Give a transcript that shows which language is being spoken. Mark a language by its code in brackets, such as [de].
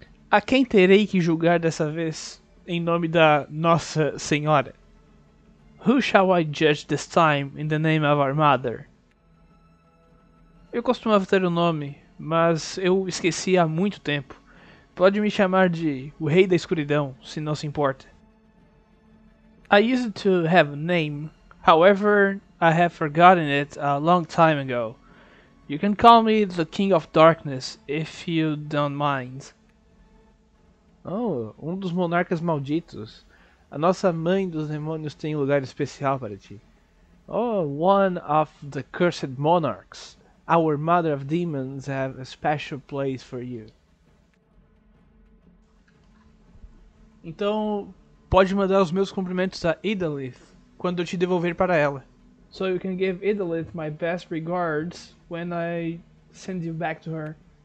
[pt] A quem terei que julgar dessa vez em nome da Nossa Senhora? [en] Who shall I judge this time in the name of our mother? [pt] Eu costumava ter um nome, mas eu esqueci há muito tempo. Pode me chamar de o Rei da Escuridão, se não se importa. [en] I used to have a name, however, I have forgotten it a long time ago. You can call me the King of Darkness, if you don't mind. [pt] Oh, um dos monarcas malditos. A nossa mãe dos demônios tem um lugar especial para ti. [en] Oh, one of the cursed monarchs. Our mother of demons have a special place for you. [pt] Então, pode mandar os meus cumprimentos a Idalith quando eu te devolver para ela. [en] So you can give Idalith my best regards when I send you back to her.